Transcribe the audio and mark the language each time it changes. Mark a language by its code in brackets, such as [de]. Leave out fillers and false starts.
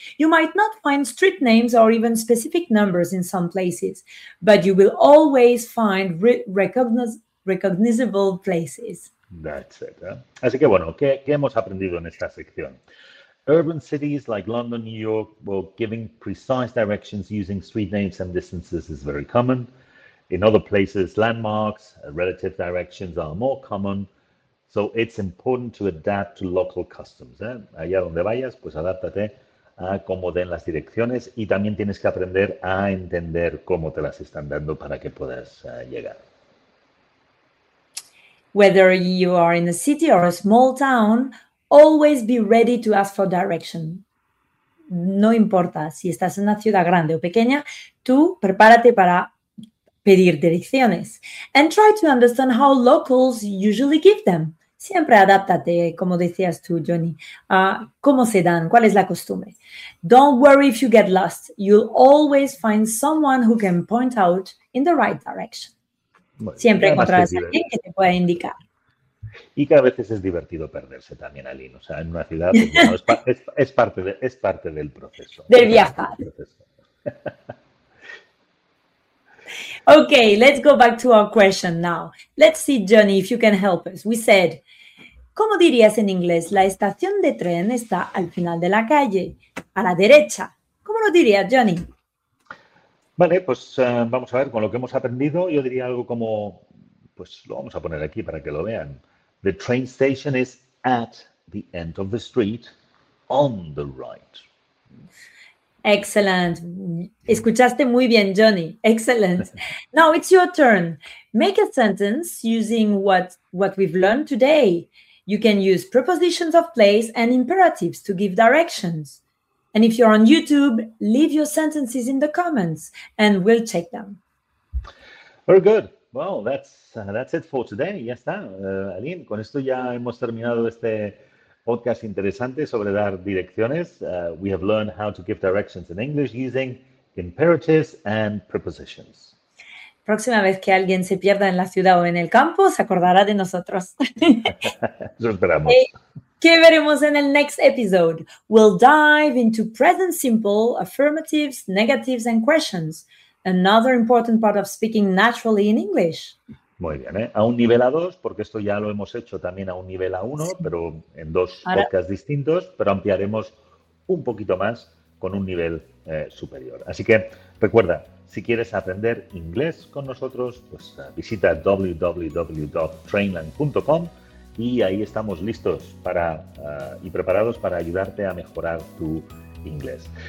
[en] You might not find street names or even specific numbers in some places, but you will always find recognizable places. That's it. [es] Así que bueno, ¿qué hemos aprendido en esta sección? [en] Urban cities like London, New York, well, giving precise directions using street names and distances is very common. In other places, landmarks, relative directions are more common. So it's important to adapt to local customs. [es] Allá donde vayas, pues adáptate a cómo den las direcciones y también tienes que aprender a entender cómo te las están dando para que puedas llegar. [en] Whether you are in a city or a small town, always be ready to ask for direction. [es] No importa si estás en una ciudad grande o pequeña, tú prepárate para pedir direcciones. [en] And try to understand how locals usually give them. [es] Siempre adáptate, como decías tú, Johnny, a cómo se dan, cuál es la costumbre. [en] Don't worry if you get lost. You'll always find someone who can point out in the right direction. [es] Bueno, siempre encontrarás a alguien que te pueda indicar. Y que a veces es divertido perderse también, Aline. O sea, en una ciudad, pues, bueno, es parte del proceso. Del viajar. [en] Okay, let's go back to our question now. Let's see, Johnny, if you can help us. We said, [es] ¿cómo dirías en inglés? La estación de tren está al final de la calle, a la derecha. ¿Cómo lo dirías, Johnny? Vale, pues vamos a ver, con lo que hemos aprendido, yo diría algo como, pues lo vamos a poner aquí para que lo vean. [en] The train station is at the end of the street, on the right. Excellent. [es] Escuchaste muy bien, Johnny. Excellent. [en] Now it's your turn. Make a sentence using what we've learned today. You can use prepositions of place and imperatives to give directions. And if you're on YouTube, leave your sentences in the comments and we'll check them. Very good. Well, that's it for today. [es] Ya está. Aline, con esto ya hemos terminado este podcast interesante sobre dar direcciones. [en] We have learned how to give directions in English using imperatives and prepositions. [es] Próxima vez que alguien se pierda en la ciudad o en el campo, se acordará de nosotros. Eso esperamos. ¿Qué veremos en el [en] next episode? We'll dive into present simple, affirmatives, negatives and questions. Another important part of speaking naturally in English. [es] Muy bien, ¿eh? A un nivel A2, porque esto ya lo hemos hecho también a un nivel A1, sí. Pero en dos podcasts distintos, pero ampliaremos un poquito más con un nivel superior. Así que recuerda, si quieres aprender inglés con nosotros, pues visita www.trainland.com y ahí estamos listos para y preparados para ayudarte a mejorar tu inglés.